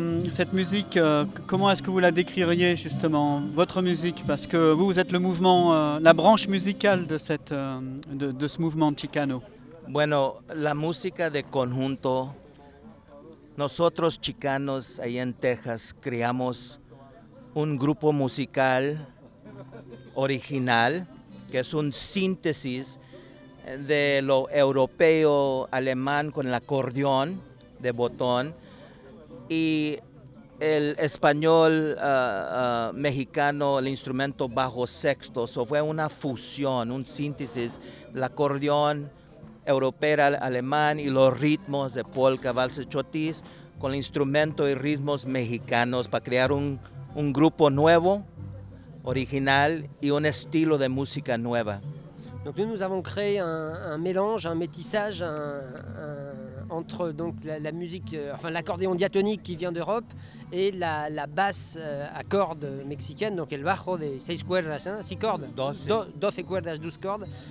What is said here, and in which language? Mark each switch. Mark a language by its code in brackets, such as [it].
[fr] Cette musique, comment est-ce que vous la décririez justement, votre musique? Parce que vous êtes le mouvement, la branche musicale de ce mouvement chicano. [es] Bueno, la música de conjunto, nosotros chicanos ahí en Texas creamos un grupo musical original que es un síntesis de lo europeo alemán con el acordeón de botón y el español mexicano, el instrumento bajo sexto, eso fue una fusión, un síntesis del acordeón europea, alemán y los ritmos de polka, valse, chotis con instrumentos y ritmos mexicanos para crear un grupo nuevo, original y un estilo de música nueva. [fr] Donc nous avons créé un mélange, un métissage entre donc la musique, enfin l'accordéon diatonique qui vient d'Europe et la basse à cordes mexicaine, donc [es] el bajo de seis cuerdas, [fr] hein, six cordes, [es] doce cuerdas, [fr] douze cordes.